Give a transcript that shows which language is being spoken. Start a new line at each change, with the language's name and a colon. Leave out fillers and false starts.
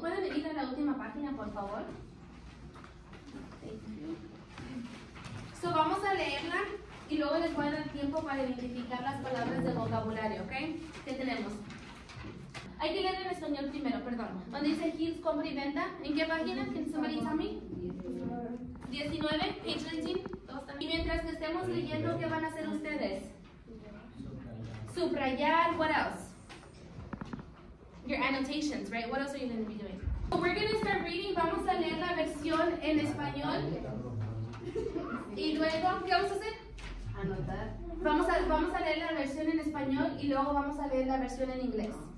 Spanish: ¿Pueden ir a la última página, por favor?
English: Thank you. So
Spanish: vamos a leerla y luego les voy a dar tiempo para identificar las palabras del vocabulario, ¿ok? ¿Qué tenemos? Hay que leer en español primero, perdón. ¿Dónde dice Hills, compra y venta? ¿En qué página?
English: ¿Can somebody tell me?
Spanish: 19,
English: page 19.
Spanish: Y mientras que estemos leyendo, ¿qué van a hacer ustedes? Subrayar.
English: What else? Your annotations, right? What else are you going to be doing? So we're going to start reading.
Spanish: Vamos a leer la versión en español. Y luego, ¿qué vamos a hacer? Anotar. Vamos a leer la versión en español y luego vamos a leer la versión en inglés.